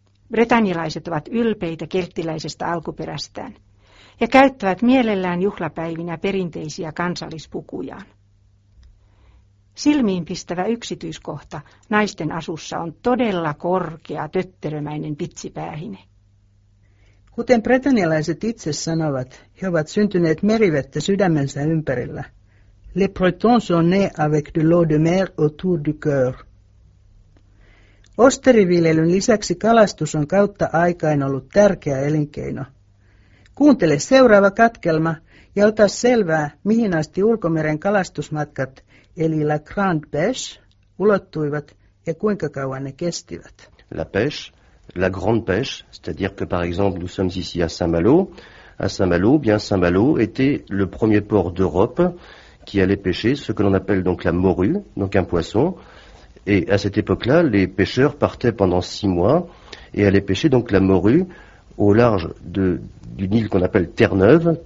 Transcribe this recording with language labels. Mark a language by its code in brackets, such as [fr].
[fi] Bretagnelaiset ovat ylpeitä kelttiläisestä alkuperästään ja käyttävät mielellään juhlapäivinä perinteisiä kansallispukujaan. Silmiinpistävä yksityiskohta naisten asussa on todella korkea tötterömäinen pitsipäähine. Kuten bretanialaiset itse sanovat, he ovat syntyneet merivettä sydämensä ympärillä. [fr] Les Bretons sont nés avec de l'eau de mer autour du cœur. [fi] Osteriviljelyn lisäksi kalastus on kautta aikain ollut tärkeä elinkeino. Kuuntele seuraava katkelma ja ota selvää, mihin asti ulkomeren kalastusmatkat, eli [fr] la grande pêche, [fi] ulottuivat ja kuinka kauan ne kestivät. [fr] La pêche. La grande pêche, c'est-à-dire que par exemple nous sommes ici à Saint-Malo. À Saint-Malo, bien Saint-Malo était le premier port d'Europe qui allait pêcher ce que l'on appelle donc la morue, donc un poisson. Et à cette époque-là, les pêcheurs partaient pendant 6 mois et allaient pêcher donc la morue au large d'une île qu'on appelle Terre-Neuve.